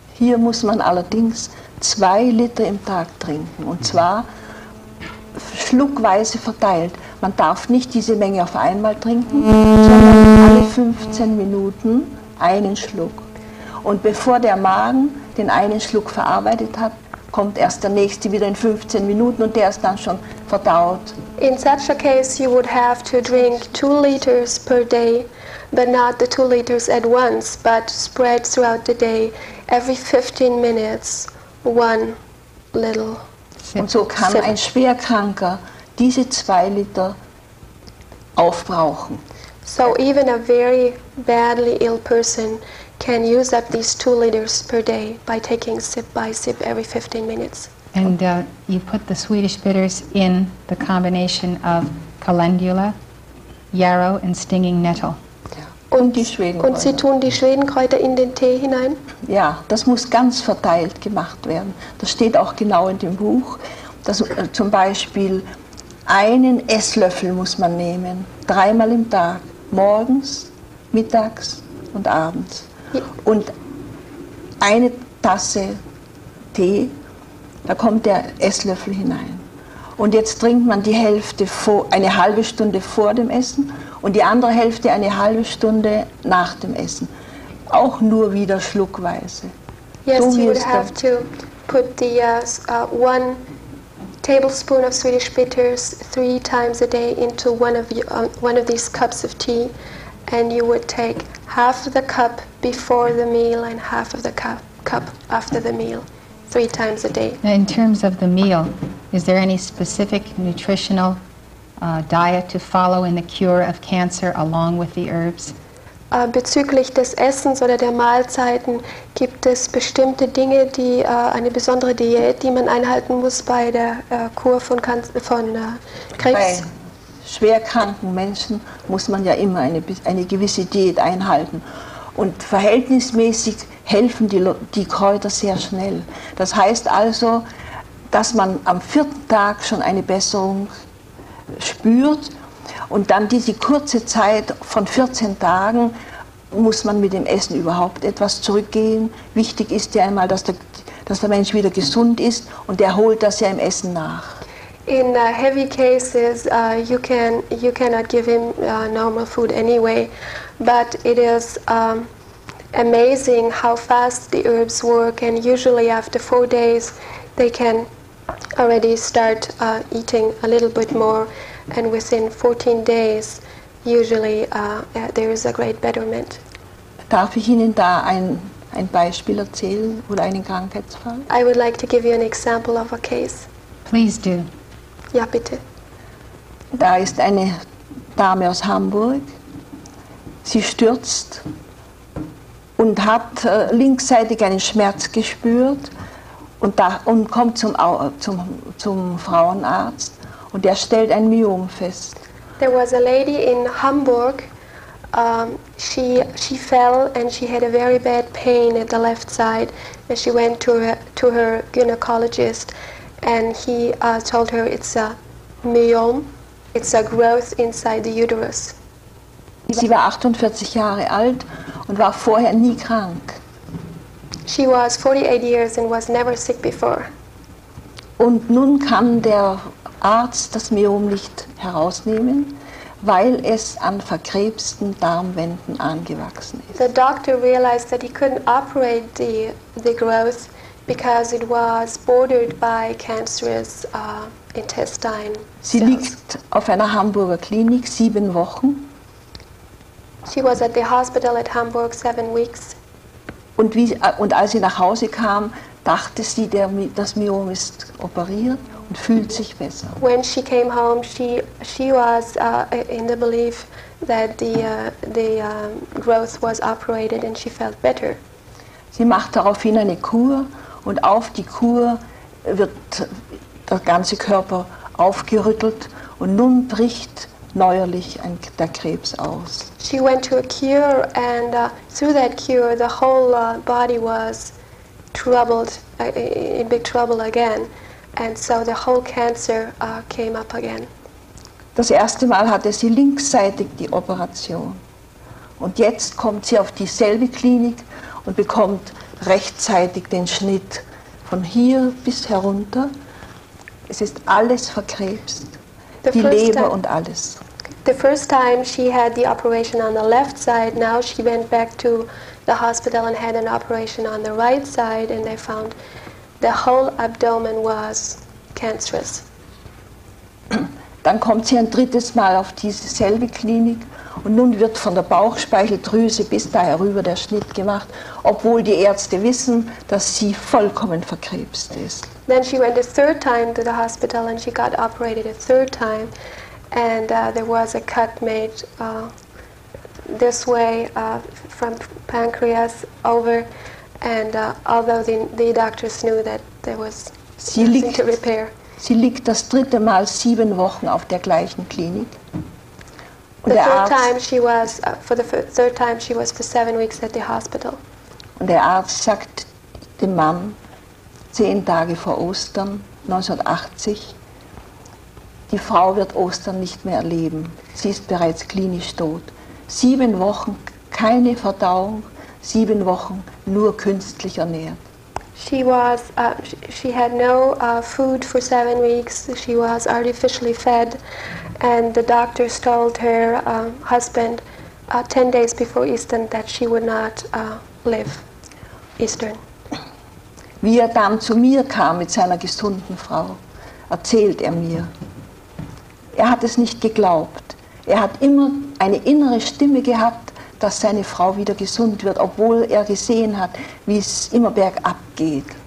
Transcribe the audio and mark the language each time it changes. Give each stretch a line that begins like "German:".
German: Hier muss man allerdings 2 Liter im Tag trinken, und zwar schluckweise verteilt. Man darf nicht diese Menge auf einmal trinken, sondern alle 15 Minuten einen Schluck. Und bevor der Magen den einen Schluck verarbeitet hat, kommt erst der nächste wieder in 15 Minuten, und der ist dann schon verdaut.
English: In such a case, you would have to drink 2 liters per day, but not the 2 liters at once, but spread throughout the day, every 15 minutes, one little sip.
German: Und so kann sip. Ein Schwerkranker diese 2 Liter aufbrauchen.
English: So even a very badly ill person can use up these 2 liters per day by taking sip by sip every 15 minutes. And you put the Swedish bitters in the combination of calendula, yarrow and stinging nettle.
German: Und die Schwedenkräuter. Und sie tun die Schwedenkräuter in den Tee hinein? Ja, das muss ganz verteilt gemacht werden. Das steht auch genau in dem Buch, dass zum Beispiel einen Esslöffel muss man nehmen, dreimal im Tag, morgens, mittags und abends. Und eine Tasse Tee, da kommt der Esslöffel hinein. Und jetzt trinkt man die Hälfte vor, eine halbe Stunde vor dem Essen und die andere Hälfte eine halbe Stunde nach dem Essen. Auch nur wieder schluckweise.
English: Yes, you would have to put the one tablespoon of Swedish bitters 3 times a day into one of these cups of tea, and you would take half of the cup before the meal and half of the cup after the meal. 3 times a day. In terms of the meal, is there any specific nutritional diet to follow in the cure of cancer along with the herbs?
German: Bezüglich des Essens oder der Mahlzeiten gibt es bestimmte Dinge, die eine besondere Diät, die man einhalten muss bei der Kur von Krebs? Bei schwerkranken Menschen muss man ja immer eine gewisse Diät einhalten. Und verhältnismäßig helfen die Kräuter sehr schnell. Das heißt also, dass man am 4. Tag schon eine Besserung spürt und dann diese kurze Zeit von 14 Tagen muss man mit dem Essen überhaupt etwas zurückgehen. Wichtig ist ja einmal, dass der Mensch wieder gesund ist und er holt das ja im Essen nach.
English: In heavy cases, you cannot give him normal food anyway, but it is amazing how fast the herbs work, and usually after 4 days they can already start eating a little bit more, and within 14 days usually there is a great betterment.
German: Darf ich Ihnen da ein Beispiel erzählen oder einen Krankheitsfall?
English: I would like to give you an example of a case. Please do.
German: Ja, bitte. Da ist eine Dame aus Hamburg. Sie stürzt und hat linksseitig einen Schmerz gespürt und kommt zum Frauenarzt und der stellt ein Myom fest.
English: There was a lady in Hamburg. She fell and she had a very bad pain at the left side, and she went to her gynecologist, and he told her it's a myom, it's a growth inside the uterus.
German: Sie war 48 Jahre alt und war vorher nie krank.
English: She was 48 years and was never sick before.
German: Und nun kann der Arzt das Myom nicht herausnehmen, weil es an verkrebsten Darmwänden angewachsen ist.
English: The doctor realized that he couldn't operate the growth because it was bordered by cancerous intestine cells.
German: Sie liegt auf einer Hamburger Klinik 7 Wochen.
English: She was at the hospital at Hamburg 7 weeks.
German: Und als sie nach Hause kam, dachte sie, das Myom ist operiert und fühlt sich besser.
English: When she came home, she was in the belief that the growth was operated and she felt better.
German: Sie macht daraufhin eine Kur und auf die Kur wird der ganze Körper aufgerüttelt und nun bricht neuerlich der Krebs aus.
English: She went to a cure and through that cure the whole body was troubled, in big trouble again, and so the whole cancer came up again.
German: Das erste Mal hatte sie linksseitig die Operation und jetzt kommt sie auf dieselbe Klinik und bekommt rechtzeitig den Schnitt von hier bis herunter. Es ist alles verkrebst. Die Leber und alles.
English: The first time she had the operation on the left side, now she went back to the hospital and had an operation on the right side, and they found the whole abdomen was cancerous.
German: Dann kommt sie ein drittes Mal auf dieselbe Klinik und nun wird von der Bauchspeicheldrüse bis da herüber der Schnitt gemacht, obwohl die Ärzte wissen, dass sie vollkommen verkrebst ist.
English: Then she went a third time to the hospital and she got operated a third time and there was a cut made this way from pancreas over and although the doctors knew that there was nothing to repair.
German: Sie liegt das dritte Mal 7 Wochen auf der gleichen Klinik.
English: Und the third time she was for the third time she was for 7 weeks at the hospital.
German: Und der Arzt sagt dem Mann 10 Tage vor Ostern 1980, die Frau wird Ostern nicht mehr erleben. Sie ist bereits klinisch tot. 7 Wochen keine Verdauung, 7 Wochen nur künstlich ernährt.
English: She was she had no food for 7 weeks. She was artificially fed, and the doctors told her husband 10 days before Easter that she would not live Easter.
German: Wie er dann zu mir kam mit seiner gesunden Frau, erzählt er mir. Er hat es nicht geglaubt. Er hat immer eine innere Stimme gehabt, dass seine Frau wieder gesund wird, obwohl er gesehen hat, wie es immer bergab geht.